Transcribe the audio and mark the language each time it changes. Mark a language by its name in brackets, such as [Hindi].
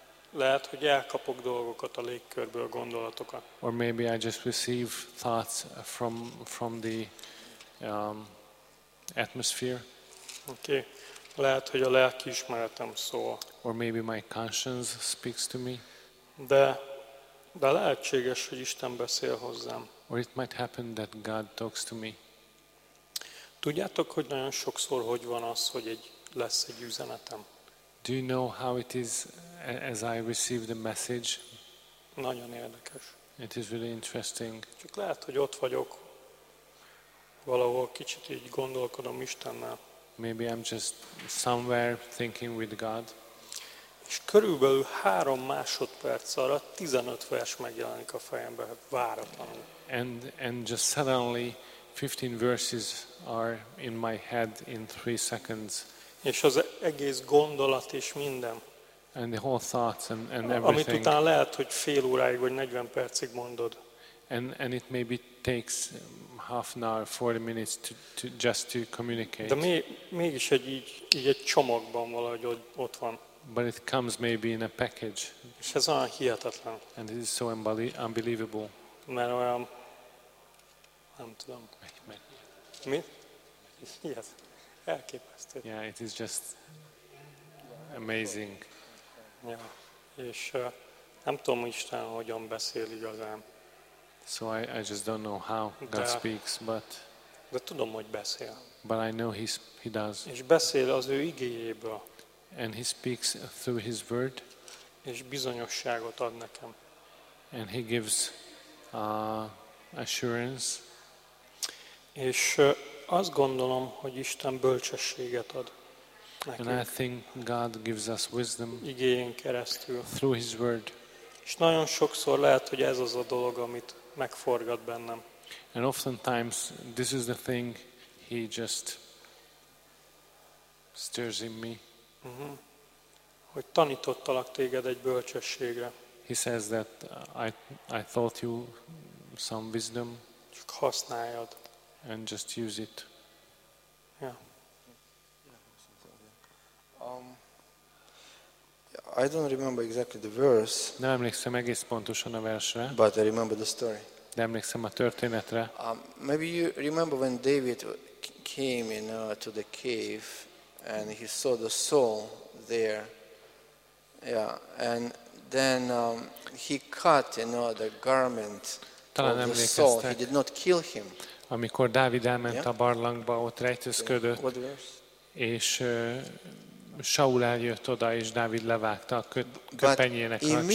[Hungarian] Lehet, hogy elkapok dolgokat a légkörből, gondolatokat. [English] Or maybe I just receive thoughts from the atmosphere. Okay. [Hungarian] Lehet, hogy a lelkiismeretem szól. [English] Or maybe my conscience speaks to me. [Hungarian] De lehetséges, hogy Isten beszél hozzám. [English] Or it might happen that God talks to me. [Hungarian] Tudjátok, hogy nagyon sokszor hogy van az, hogy lesz egy üzenetem? [English] Do you know how it is as I receive the message? [Hungarian] Nagyon érdekes. [English] It is really interesting. [Hungarian] Csak lehet, hogy ott vagyok, Valahol kicsit így gondolkodom Istennel. [English] Maybe I'm just somewhere thinking with God. [Hungarian] És körülbelül 3 másodperc alatt 15 vers megjelenik a fejembe váratlanul. [English] And just suddenly 15 verses are in my head in 3 seconds. [Hungarian] És az egész gondolat és minden. [English] And the whole thoughts and everything. [Hungarian] Amit utána lehet, hogy fél óráig vagy 40 percig mondod. [English] And it maybe takes half an hour, 40 minutes to just to communicate. [Hungarian] De mégis egy egy csomagban valahogy ott van. [English] But it comes maybe in a package. [Hungarian] És ez olyan hihetetlen. [English] And it is so unbelievable. [Hungarian] Mert olyan, nem tudom. Mi? Yes. Elképesztő. [English] Yeah, it is just amazing. Ja. [Hungarian] És nem tudom Isten hogyan beszél igazán. [English] So I just don't know how God speaks, but. [Hungarian] De tudom, hogy beszél. [English] But I know he does. [Hungarian] És beszél az ő igéjéből. [English] And he speaks through his word. [Hungarian] És bizonyosságot ad nekem. [English] And he gives assurance. [Hungarian] És azt gondolom, hogy Isten bölcsességet ad nekünk. [English] And I think God gives us wisdom. [Hungarian] Igéjén keresztül. [English] Through his word. [Hungarian] És nagyon sokszor lehet, hogy ez az a dolog, amit megforgat bennem. [English] And oftentimes this is the thing he just stirs in me. Mm-hmm. [Hungarian] Hogy tanítottalak téged egy bölcsességre. [English] He says that I taught you some wisdom. [Hungarian] Csak használjad. [English] And just use it. Yeah. I don't remember exactly the verse. [Hungarian] Nem emlékszem egész pontosan a versre. [English] But I remember the story. [Hungarian] De emlékszem a történetre. [English] Maybe you remember when David came in to the cave and he saw the Saul there. Yeah, and then he cut the garment of the Saul. He did not kill him. [Hungarian] Amikor Dávid elment a barlangba, ott rejtőzködött, és Saul eljött oda, és Dávid levágta a köpenyének a